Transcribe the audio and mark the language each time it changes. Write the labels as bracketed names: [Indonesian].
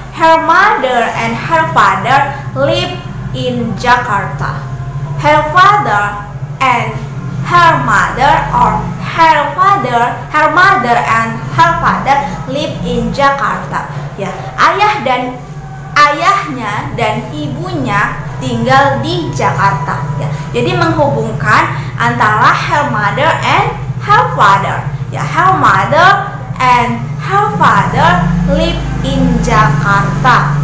[English] Her mother and her father live in Jakarta. Her father and her mother or her mother and her father live in Jakarta. [Indonesian] Ayahnya dan ibunya tinggal di Jakarta. Jadi menghubungkan antara [English] her mother and her father. Her mother and her father live in Jakarta.